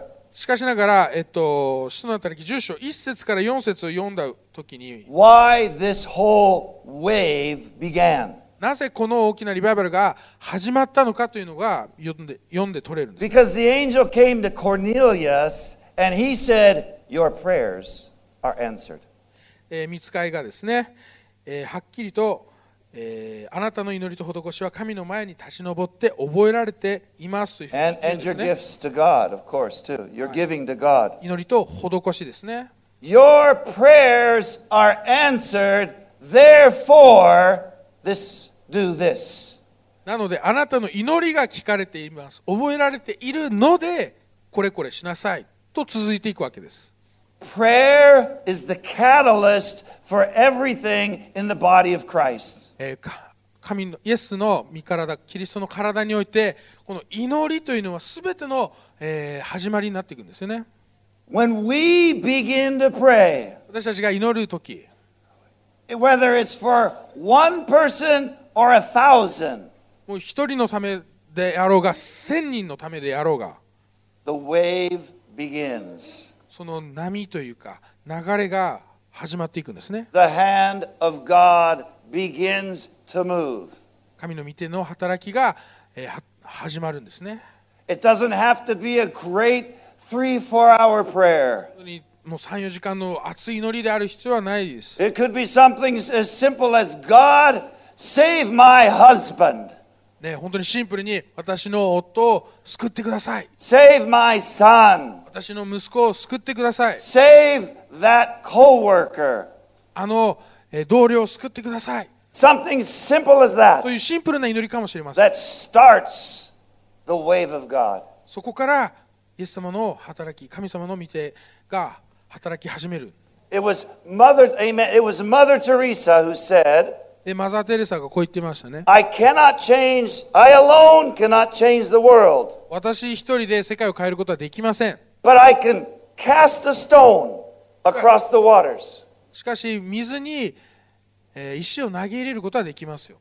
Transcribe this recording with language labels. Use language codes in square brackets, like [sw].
[ja] しかしながら、使徒の働き10章1節から4節を読んだ時に、 [en] Why this whole wave began? [ja] なぜこの大きなリバイバルが始まったのかというのが読んで取れるんです。 [en] Because the angel came to Cornelius and he said, "Your prayers are answered." [ja] 御使いがですね、はっきりと、あなたの祈りと施しは神の前に立ち上って覚えられていますというふうに言うんですね。 [en] And your gifts to God, of course, too. You're giving to God. [ja] 祈りと施しですね。 [en] Your prayers are answered. Therefore. This, do this. [ja] なのであなたの祈りが聞かれています、覚えられているので、これこれしなさいと続いていくわけです。 [en] Prayer is the catalyst for everything in the body of Christ. [ja] 神のイエスの身体、キリストの体において、この祈りというのは全ての、始まりになっていくんですよね。 [en] When we begin to pray, [ja] 私たちが祈るとき、 [en] Whether it's for one person or a thousand, [ja] もう一人のためであろうが、千人のためであろうが、 [en] the wave begins. [ja] その波というか流れが始まっていくんですね。 [en] The hand of God begins to move. [ja] 神の御手の働きが始まるんですね。 [en] It doesn't have to be a great 3-4-hour prayer. [ja] もう 3-4 時間の熱い祈りである必要はないです。 [en] It could be something as simple as God save my husband、 [ja] ね、本当にシンプルに私の夫を救ってください。 [en] Save my son、 [ja] 私の息子を救ってください。 [en] Save that coworker、 [ja] あの同僚を救ってください。 [en] Something simple as that、 [ja] そういうシンプルな祈りかもしれません。 [en] That starts the wave of God。 [ja] そこからイエス様の働き、神様の御手が働き始める。 [en] It was Mother Teresa who said, [ja] マザー・テレサがこう言ってましたね。 [en] I cannot change, I alone cannot change the world. [ja] 私一人で世界を変えることはできません。 [en] But I can cast a stone across the waters. [ja] しかし水に石を投げ入れることはできますよ。